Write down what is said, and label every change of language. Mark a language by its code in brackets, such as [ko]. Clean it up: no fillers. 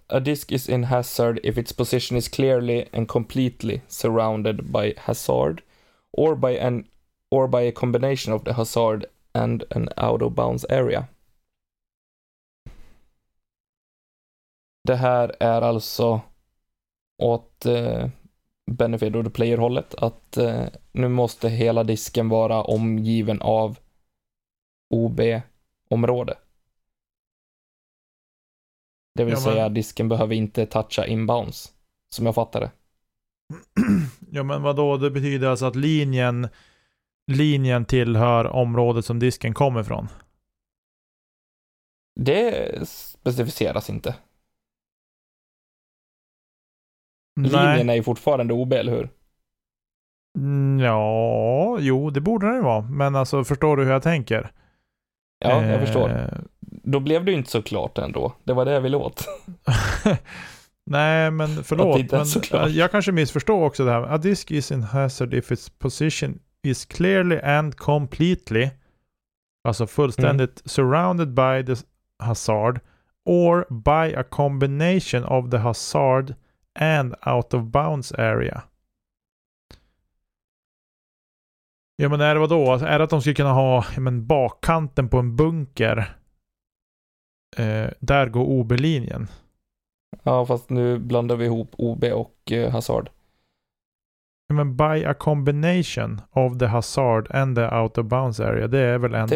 [en] A disc is in hazard if its position is clearly and completely surrounded by hazard. Or by a combination of the hazard and an out of bounds area. [sv] Det här är alltså åt [en] benefit of the player [sv] hållet att nu måste hela disken vara omgiven av OB-område. Det vill säga att disken behöver inte toucha inbounds, som jag fattar det. Ja, men vad då? Det betyder alltså att linjen tillhör området som disken kommer ifrån. Det specificeras inte. Nej. Linjen är ju fortfarande OB, eller hur? Ja, jo, det borde den vara. Men alltså, förstår du hur jag tänker? Ja, jag förstår. Då blev det ju inte så klart ändå. Det var det jag ville åt. Nej, men förlåt. Men jag kanske missförstår också det här. [en] A disk is in hazard if its position is clearly and completely, [sv] alltså fullständigt, [en] surrounded by the hazard or by a combination of the hazard and out of bounds area. [sv] Ja, men är det vad då? Är det att de ska kunna ha bakkanten på en bunker? Där går OB-linjen. Ja, fast nu blandar vi ihop OB och hazard. [en] Men by a combination of the hazard and the out of bounds area, [sv] det är väl ändå...